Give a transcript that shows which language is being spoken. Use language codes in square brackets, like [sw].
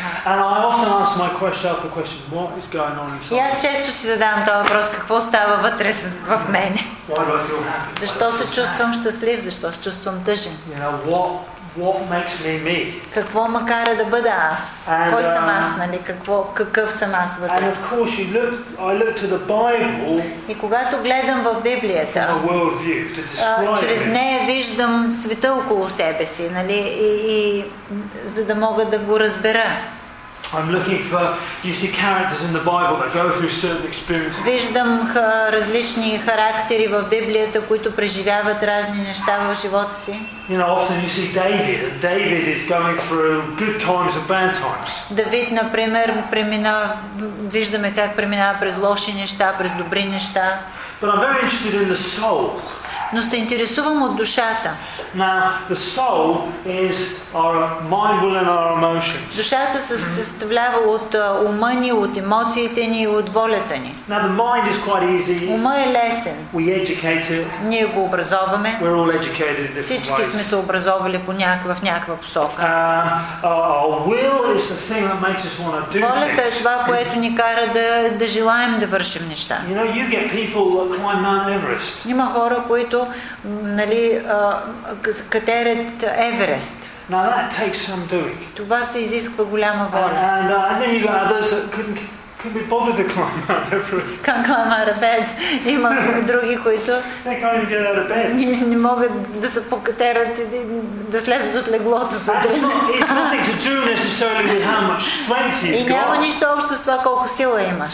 [en] And I often ask my question after question, what is going on inside? [bg] Аз често си задавам този въпрос, какво става вътре в мене? [en] Why do I feel happy? [bg] Защо се чувствам щастлив, защо се чувствам тъжен? [en] What makes me me? [bg] Какво ме кара да бъда аз? Кой съм аз, нали? Какъв съм аз вътре? [en] And of course you look, I look to the Bible. [bg] И когато гледам в Библията, [en] a world view, to describe [bg] чрез нея виждам света около себе си, нали? И за да мога да го разбера. [en] I'm looking for, you see characters in the Bible that go through certain experiences. [bg] Виждам различни характери в Библията, които преживяват разни неща в живота си. [en] You know, often you see David. David is going through good times and bad times. [bg] Давид, например, виждаме как преминава през лоши неща, през добри неща. [en] But I'm very interested in the soul. [bg] Но се интересувам от душата. [en] Now, the soul is our mind, will, and our emotions. [bg] Душата се съставлява от ума ни, от емоциите ни и от волята ни. [en] Now, the mind is quite easy. [bg] Ума е лесен. [en] We educate it. [bg] Ние го образоваме. [en] We're all educated in different [bg] Всички [en] ways. [bg] Сме се образовали в някаква посока. [en] Our will is the thing that makes us want to do things. [bg] Волята е това, което ни кара да желаем да вършим неща. [en] You know, you get people that climb Mount Everest. [bg] Има хора, които, нали, катерят Еверест. [en] Now that takes some doing. [bg] Това се изисква голяма воля. [en] And then you've got others that couldn't be bothered to climb Mount Everest. Can't climb out of bed. [bg] Има други, които [en] they can't even get out of bed. [bg] Не могат да се покатерят и да слезат от леглото. [en] It's nothing to do necessarily with how much strength you've got. [bg] И няма нищо общо с това колко сила имаш.